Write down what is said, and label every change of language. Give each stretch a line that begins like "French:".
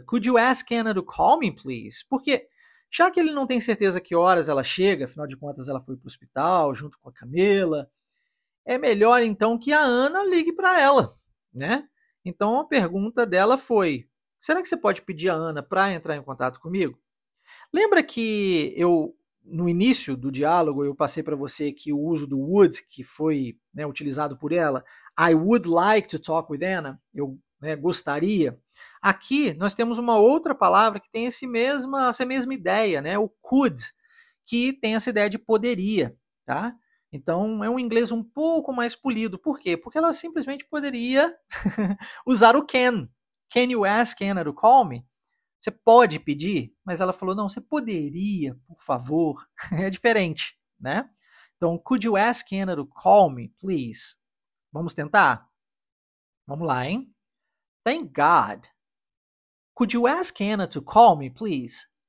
English: Could you ask Anna to call me, please?
Portuguese: Porque já que ele não tem certeza que horas ela chega, afinal de contas ela foi para o hospital junto com a Camilla, é melhor, então, que a Ana ligue para ela, né? Então, a pergunta dela foi, será que você pode pedir a Ana para entrar em contato comigo? Lembra que eu, no início do diálogo, eu passei para você que o uso do would, que foi utilizado por ela,
English: I would like to talk with Anna,
Portuguese: eu gostaria. Aqui, nós temos uma outra palavra que tem essa mesma ideia, né? O could, que tem essa ideia de poderia. tá? Então, é um inglês um pouco mais polido. Por quê? Porque ela simplesmente poderia usar o can.
English: Can you ask Anna to call me?
Portuguese: Você pode pedir? Mas ela falou, não, você poderia, por favor. É diferente, né? Então,
English: could you ask Anna to call me, please?
Portuguese: Vamos tentar? Vamos lá, hein?
English: Thank God. Could you ask Anna to call me, please?